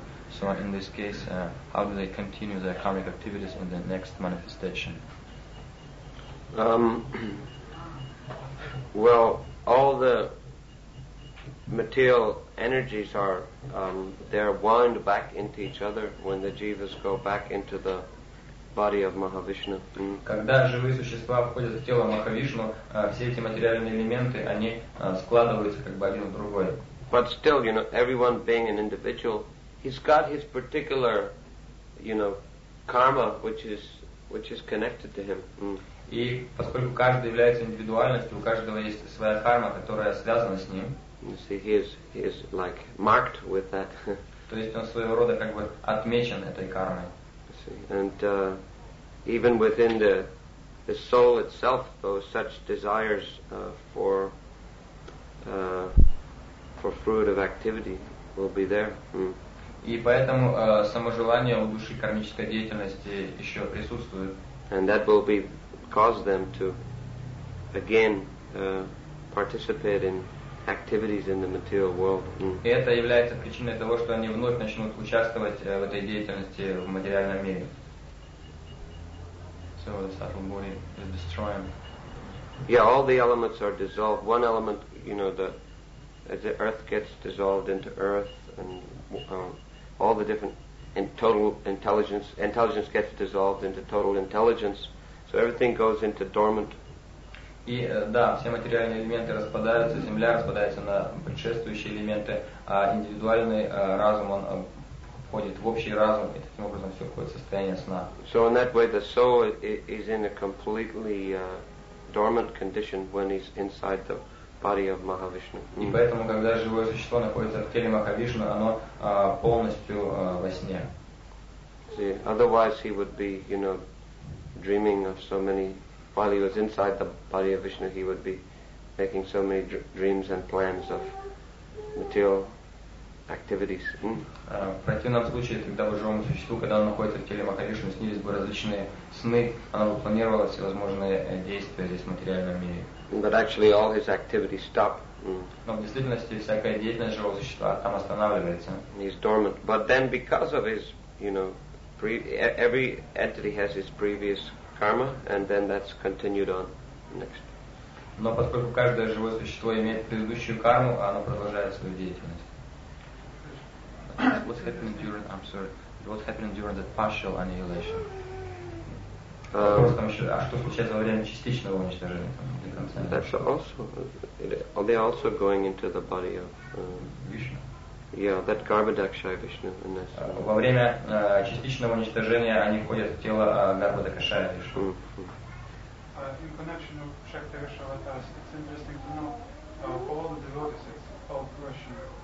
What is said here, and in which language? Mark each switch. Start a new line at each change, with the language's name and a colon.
English: So in this case, how do they continue their karmic activities in the next manifestation? Well, all the material energies are they're wound back into each other when the jivas go back into the body of Mahavishnu.
Russian: Когда живые существа входят в тело Махавишну, все эти материальные элементы они складываются как бы один в другой.
English: But still, you know, everyone being an individual, he's got his particular, you know, karma, which is connected to him.
Russian: И поскольку каждый является индивидуальностью, у каждого есть своя карма, которая связана с ним.
English: You see, he is like marked with that.
Russian: То есть он своего рода как бы отмечен этой кармой.
English: And even within the soul itself, those such desires for fruit of activity will be there.
Russian: И поэтому само желание у души кармической деятельности еще присутствует.
English: And that will be cause them to again participate in activities in the material world.
Russian: И это является причиной того, что они вновь начнут участвовать в этой деятельности в материальном мире.
English: So the subtle body is destroyed. Yeah, all the elements are dissolved. One element, you know, the earth gets dissolved into earth, and all the different intelligence gets dissolved into total intelligence. So everything goes into dormant.
Russian: И да, все материальные элементы распадаются, земля распадается на предшествующие элементы, а индивидуальный разум, он входит в общий разум, и таким образом все входит в состояние сна.
English: So in that way the soul is in a completely dormant condition when he's inside the body of Mahavishnu.
Russian: И поэтому, когда живое существо находится в теле Махавишны, оно полностью во сне.
English: See, otherwise he would be, you know, dreaming of so many. While he was inside the body of Vishnu, he would be making so many dreams and plans of material activities.
Russian: В противном случае, когда бы живому существу, когда он находится в теле Махавишны, снились бы различные сны, оно бы планировало всевозможные действия здесь в материальном мире.
English: But actually, all his activities stop.
Russian: Но в действительности всякая деятельность живого существа там останавливается.
English: He's dormant. But then, because of his, you know, every entity has his previous karma, and then that's continued on next.
Russian: Но поскольку каждое живое существо имеет предыдущую карму, оно продолжает свою деятельность.
English: What happened during the partial annihilation?
Russian: А что случается во время частичного уничтожения?
English: That's also, they're also going into the body of Vishnu. Yeah, that Garbhadakshaya Vishnu in this.
Russian: Во время частичного уничтожения они входят в тело Гарбхадакшая Вишну.
English: In connection with Shakti Rishavatas, it's interesting to know all the devotees, it's all Krishna.